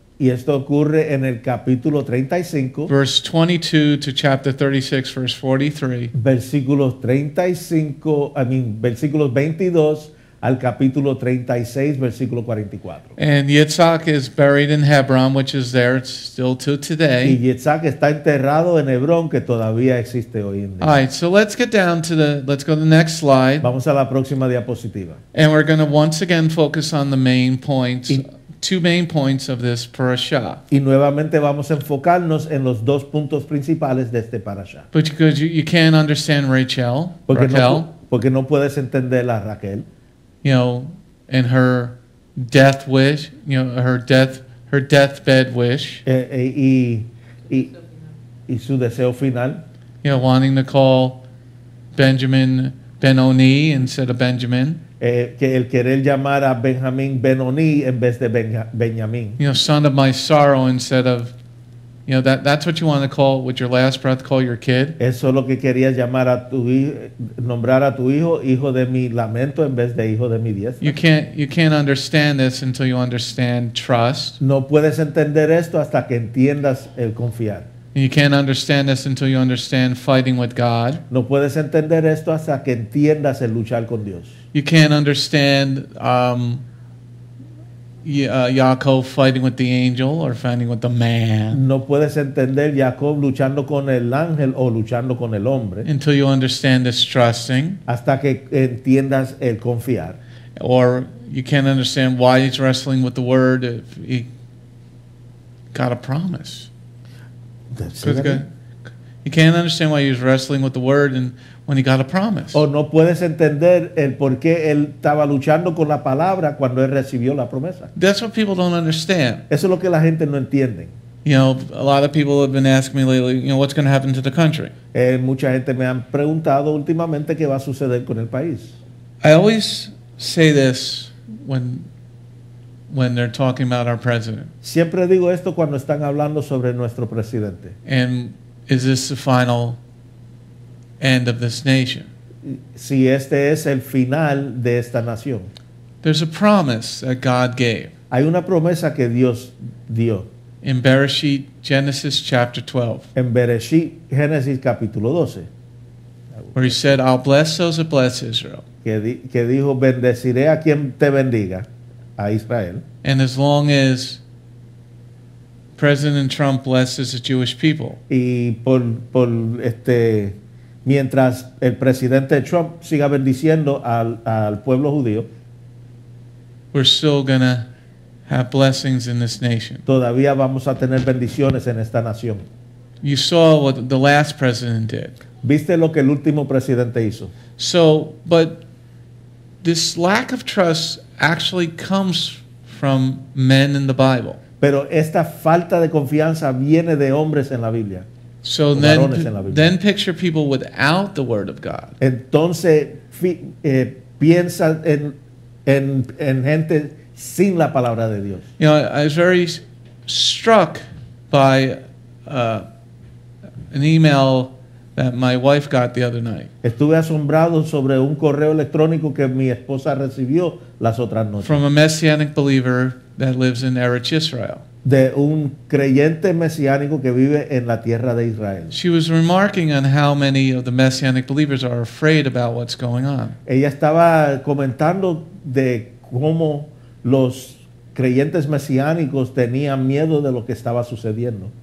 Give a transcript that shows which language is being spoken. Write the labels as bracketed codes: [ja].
[es] Y esto ocurre en el capítulo 35. [en] Verse 22 to chapter 36, verse 43. [es] Versículos versículos 22. Al capítulo 36, versículo 44. [en] And Yitzhak is buried in Hebron, which is there still to today. [es] Y Yitzhak está enterrado en Hebrón, que todavía existe hoy en día. [en] All right, so let's get down to the, let's go to the next slide. [es] Vamos a la próxima diapositiva. [en] And we're going to once again focus on the main points, two main points of this parasha. [es] Y nuevamente vamos a enfocarnos en los dos puntos principales de este parasha. [en] But because you can't understand Rachel, [es] porque Raquel. Porque no puedes entender a Raquel. [en] You know, and her death wish, you know, her deathbed wish. [es] Y su deseo final. [en] You know, wanting to call Benjamin Benoni instead of Benjamin. [es] Que el querer llamar a Benjamín Benoni en vez de Benjamín. [en] You know, son of my sorrow instead of You know, that's what you want to call with your last breath, call your kid. [es] Eso es lo que quería llamar a tu nombrar a tu hijo, hijo de mi lamento en vez de hijo de mi diestra. [en] You can't understand this until you understand trust. [es] No puedes entender esto hasta que entiendas el confiar. [en] You can't understand this until you understand fighting with God. [es] No puedes entender esto hasta que entiendas el luchar con Dios. [en] You can't understand Jacob fighting with the angel or fighting with the man. [es] No puedes entender Jacob luchando con el ángel o luchando con el hombre. [en] Until you understand this trusting. [es] Hasta que entiendas el confiar. [en] Or you can't understand why he's wrestling with the word if he got a promise. You can't understand why he's wrestling with the word and when he got a promise. [es] O no puedes entender el por qué él estaba luchando con la palabra cuando él recibió la promesa. [en] That's what people don't understand. [es] Eso es lo que la gente no entiende. [en] You know, a lot of people have been asking me lately, you know, what's going to happen to the country? [es] Mucha gente me han preguntado últimamente qué va a suceder con el país. [en] I always say this when they're talking about our president. [es] Siempre digo esto cuando están hablando sobre nuestro presidente. [en] And is this the final end of this nation? [es] Si este es el final de esta nación. [en] There's a promise that God gave. [es] Hay una promesa que Dios dio. [en] In Bereshit, Genesis chapter 12. [es] En Bereshit, Génesis capítulo 12. [en] Where he said, I'll bless those that bless Israel. [es] Que dijo, bendeciré a quien te bendiga, a Israel. [en] And as long as President Trump blesses the Jewish people. [es] Y por este... Mientras el presidente Trump siga bendiciendo al pueblo judío, [en] we're still gonna have blessings in this nation. [es] Todavía vamos a tener bendiciones en esta nación. [en] You saw what the last president did. [es] ¿Viste lo que el último presidente hizo? [en] So, but this lack of trust actually comes from men in the Bible. [es] Pero esta falta de confianza viene de hombres en la Biblia. [en] So then picture people without the word of God. [es] Entonces piensa en gente sin la palabra de Dios. [en] You know, I was very struck by an email that my wife got the other night. [es] Estuve asombrado sobre un correo electrónico que mi esposa recibió las otras noches. [en] From a messianic believer that lives in Eretz Israel. [es] De un creyente mesiánico que vive en la tierra de Israel. [en] She was remarking on how many of the messianic believers are afraid about what's going on. [es] Ella estaba comentando de cómo los creyentes mesiánicos tenían miedo de lo que estaba sucediendo.